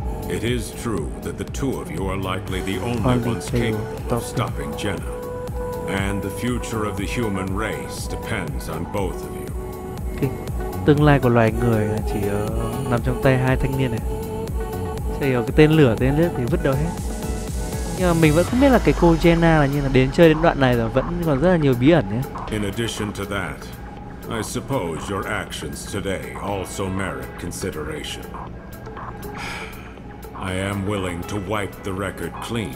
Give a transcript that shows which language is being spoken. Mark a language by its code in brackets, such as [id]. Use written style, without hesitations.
[en] It is true that the two of you are likely the only ones capable of stopping Jenna. And the future of the human race depends on both of you. Okay. [vi] Tương lai của loài người chỉ nằm trong tay hai thanh niên này. Chả hiểu cái tên lửa, tên nước thì vứt đâu hết. Nhưng mà mình vẫn không biết là cái cô Jenna là như là đến chơi đến đoạn này rồi vẫn còn rất là nhiều bí ẩn nhé. [en] In addition to that, I suppose your actions today also merit consideration. I am willing to wipe the record clean.